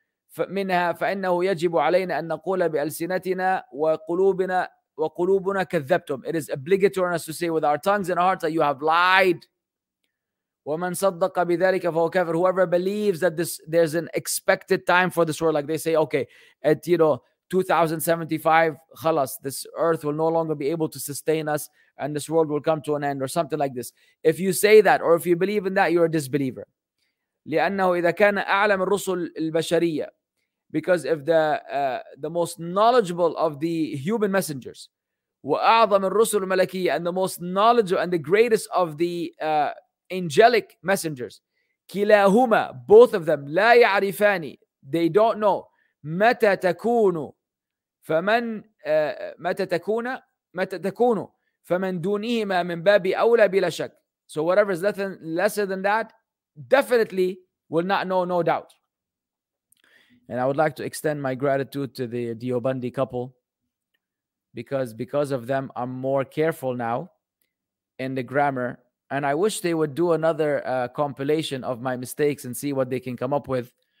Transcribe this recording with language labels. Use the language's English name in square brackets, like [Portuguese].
[Arabic] فمنها فإنه يجب علينا أن نقول بألسنتنا وقلوبنا كذبتم. [English] It is obligatory on us to say with our tongues and hearts that you have lied. [Arabic] ومن صدق بذلك فهو كافر. [English] Whoever believes that there's an expected time for this world, like they say, okay, at 2075, خلاص, this earth will no longer be able to sustain us and this world will come to an end or something like this. If you say that or if you believe in that, you're a disbeliever. [Arabic] لأنه إذا كان أعلم الرسل البشرية. [English] Because if the most knowledgeable of the human messengers, [Arabic] وأعظم الرسل الملكية, [English] and the most knowledgeable and the greatest of the angelic messengers, [Arabic] كلاهما, [English] both of them, [Arabic] لا يعرفاني, [English] they don't know, [Arabic] متى تكون, فمن متى تكون, متى تكون, فمن دونهما من باب أولى بلا شك. [English] So whatever is lesser than that, definitely will not know, no doubt. And I would like to extend my gratitude to the Diobandi couple, because of them, I'm more careful now in the grammar. And I wish they would do another compilation of my mistakes and see what they can come up with.